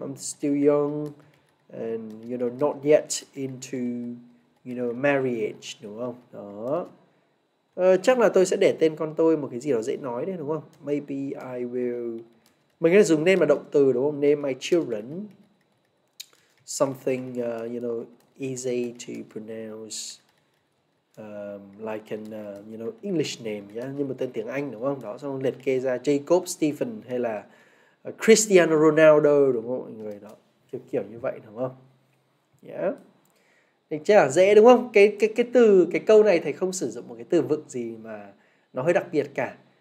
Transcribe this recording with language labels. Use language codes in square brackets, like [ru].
[en] I'm still young and, you know, not yet into, you know, marriage, [vi] đúng không? Đó. Chắc là tôi sẽ để tên con tôi một cái gì đó dễ nói đấy, đúng không? [en] Maybe I will... [vi] Mình có thể dùng name là động từ, đúng không? [en] Name my children something, you know, easy to pronounce. like an you know English name yeah? [vi] Nhưng mà tên tiếng Anh đúng không? Đó xong liệt kê ra Jacob Stephen hay là Cristiano Ronaldo đúng không mọi người đó. Kiểu kiểu như vậy đúng không? Yeah. Thì chắc là dễ đúng không? Cái từ cái câu này thầy không sử dụng một cái từ vựng gì mà nó hơi đặc biệt cả.